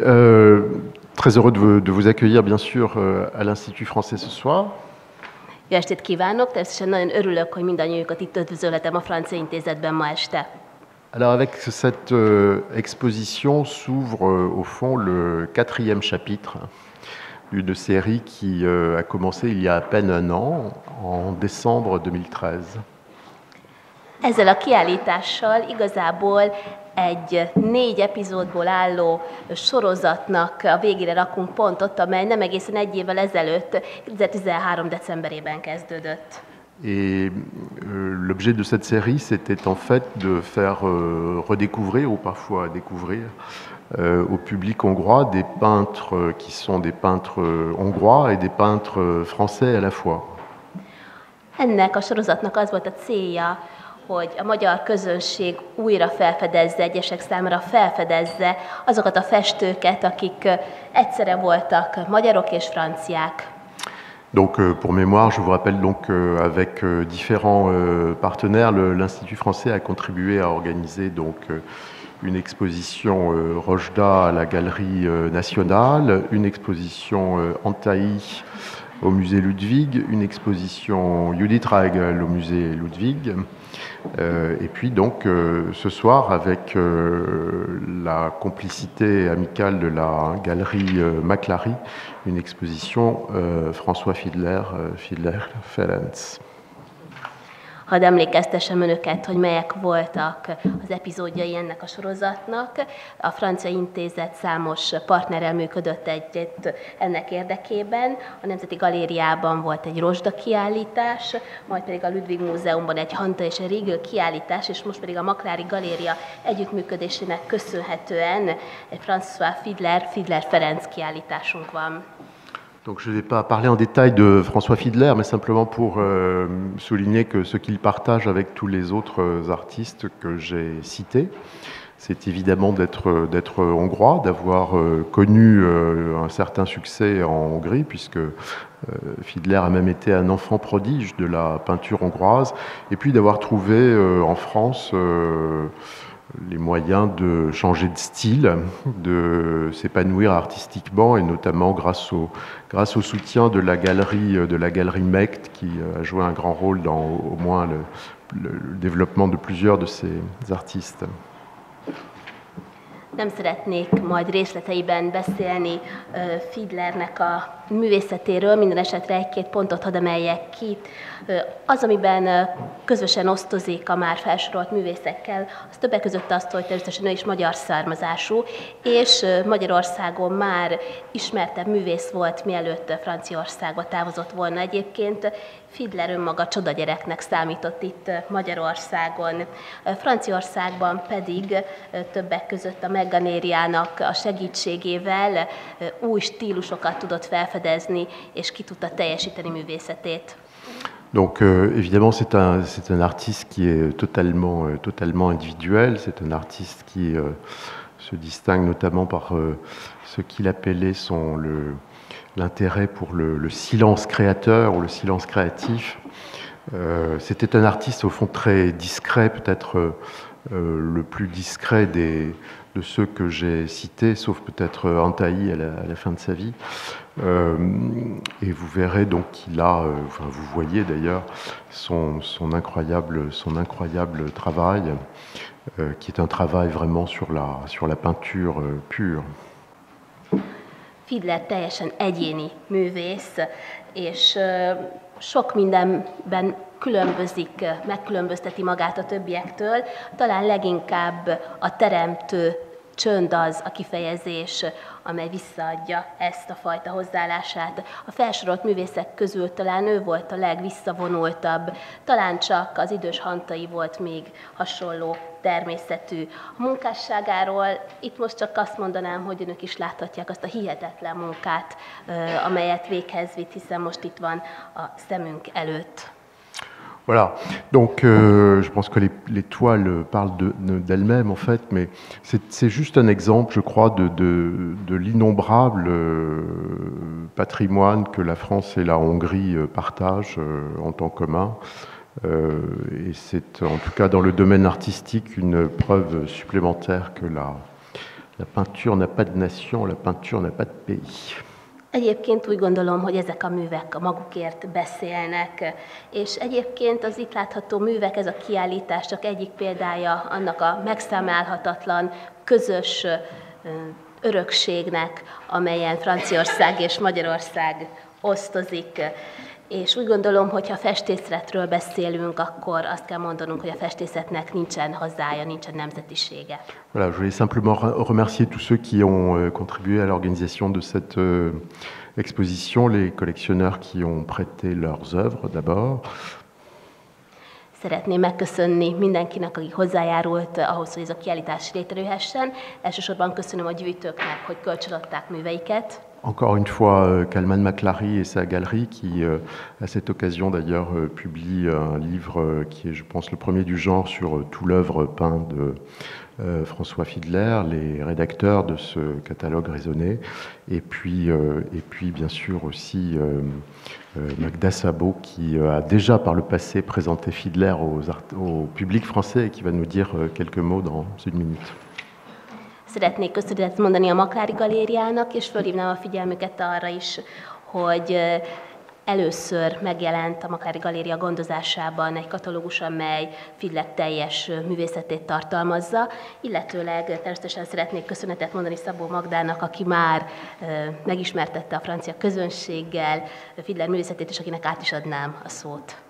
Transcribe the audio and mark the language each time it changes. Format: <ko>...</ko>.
<fr>Très heureux de vous accueillir, bien sûr, à l'Institut français ce soir.</fr> <hu>Jó estét kívánok! Természetesen nagyon örülök, hogy mindannyiukat itt üdvözölhetem a Francia Intézetben ma este.</hu> <fr>Alors, avec cette exposition s'ouvre au fond le quatrième chapitre d'une série qui a commencé il y a à peine un an, en décembre 2013.</fr> <hu>Ezzel a kiállítással igazából egy négy epizódból álló sorozatnak a végére rakunk pontot, amely nem egészen egy évvel ezelőtt, 2013 decemberében kezdődött.</hu> <fr>Et l'objet de cette série, c'était en fait de faire redécouvrir, ou parfois découvrir, au public hongrois des peintres qui sont des peintres hongrois et des peintres français à la fois.</fr> <hu>Ennek a sorozatnak az volt a célja, hogy a magyar közönség újra felfedezze, egyesek számára felfedezze azokat a festőket, akik egyszerre voltak magyarok és franciák.</hu> <fr>Donc, pour mémoire, je vous rappelle donc avec différents partenaires, l'Institut français a contribué à organiser donc une exposition Rojda à la Galerie nationale, une exposition Antaï au musée Ludwig, une exposition Judith Reigel au musée Ludwig. Et puis donc ce soir, avec la complicité amicale de la galerie McLary, une exposition François Fiedler, Fiedler-Ferenc.</fr> <hu>Hadd emlékeztessem önöket, hogy melyek voltak az epizódjai ennek a sorozatnak. A Francia Intézet számos partnerrel működött együtt ennek érdekében. A Nemzeti Galériában volt egy Rozsda kiállítás, majd pedig a Ludwig Múzeumban egy Hanta és egy Riegel kiállítás, és most pedig a McLary Galéria együttműködésének köszönhetően egy François Fiedler, Fiedler-Ferenc kiállításunk van.</hu> <fr>Donc je ne vais pas parler en détail de François Fiedler, mais simplement pour souligner que ce qu'il partage avec tous les autres artistes que j'ai cités, c'est évidemment d'être hongrois, d'avoir connu un certain succès en Hongrie, puisque Fiedler a même été un enfant prodige de la peinture hongroise, et puis d'avoir trouvé en France les moyens de changer de style, de s'épanouir artistiquement, et notamment grâce au soutien de la galerie Mecht, qui a joué un grand rôle dans au moins le développement de plusieurs de ces artistes.</fr> <hu>Nem szeretnék majd részleteiben beszélni Fiedlernek a művészetéről, minden esetre egy-két pontot hadd emeljek ki. Az, amiben közösen osztozik a már felsorolt művészekkel, az többek között azt, hogy természetesen ő is magyar származású, és Magyarországon már ismertebb művész volt, mielőtt Franciaországba távozott volna egyébként. Fiedler önmaga csodagyereknek számított itt Magyarországon. Franciaországban pedig többek között a Meganériának a segítségével új stílusokat tudott felfedezni, és ki tudta teljesíteni művészetét.</hu> <fr>Donc évidemment c'est un artiste qui est totalement individuel, c'est un artiste qui se distingue notamment par ce qu'il appelait l'intérêt pour le silence créateur ou le silence créatif. C'était un artiste au fond très discret, peut-être le plus discret de ceux que j'ai cités, sauf peut-être Antaï à la fin de sa vie. Et vous verrez donc qu'il a, enfin vous voyez d'ailleurs, son incroyable travail, qui est un travail vraiment sur la peinture pure.</fr> <hu>Fiedler teljesen egyéni művész, és sok mindenben megkülönbözteti magát a többiektől. Talán leginkább a teremtő csönd az a kifejezés, amely visszaadja ezt a fajta hozzáállását. A felsorolt művészek közül talán ő volt a legvisszavonultabb, talán csak az idős Hantai volt még hasonló természetű. A munkásságáról itt most csak azt mondanám, hogy önök is láthatják azt a hihetetlen munkát, amelyet véghez vitt, hiszen most itt van a szemünk előtt.</hu> <fr>Voilà, donc je pense que les toiles parlent d'elles-mêmes en fait, mais c'est juste un exemple, je crois, de l'innombrable patrimoine que la France et la Hongrie partagent en temps commun. Et c'est en tout cas dans le domaine artistique une preuve supplémentaire que la, La peinture n'a pas de nation, la peinture n'a pas de pays.</fr> <hu>Egyébként úgy gondolom, hogy ezek a művek magukért beszélnek, és egyébként az itt látható művek, ez a kiállítás csak egyik példája annak a megszámlálhatatlan közös örökségnek, amelyen Franciaország és Magyarország osztozik. És úgy gondolom, hogy ha festészetről beszélünk, akkor azt kell mondanunk, hogy a festészetnek nincsen hazája, nincsen nemzetisége.</hu> <fr>Voilà, je voulais simplement remercier tous ceux qui ont contribué à l'organisation de cette exposition, les collectionneurs qui ont prêté leurs œuvres d'abord.</fr> <hu>Szeretném megköszönni mindenkinek, aki hozzájárult ahhoz, hogy ez a kiállítás létrejöhessen. Elsősorban köszönöm a gyűjtőknek, hogy kölcsönadták műveiket.</hu> <fr>Encore une fois, Kalman McLary et sa galerie qui, à cette occasion d'ailleurs, publie un livre qui est, je pense, le premier du genre sur tout l'œuvre peinte de François Fiedler, les rédacteurs de ce catalogue raisonné. Et puis bien sûr, aussi Magda Sabot qui a déjà par le passé présenté Fiedler au public français et qui va nous dire quelques mots dans une minute.</fr> <hu>Szeretnék köszönetet mondani a Maklári Galériának, és fölhívnám a figyelmüket arra is, hogy először megjelent a Maklári Galéria gondozásában egy katalógus, amely Fiedler teljes művészetét tartalmazza, illetőleg természetesen szeretnék köszönetet mondani Szabó Magdának, aki már megismertette a francia közönséggel Fiedler művészetét, és akinek át is adnám a szót.</hu>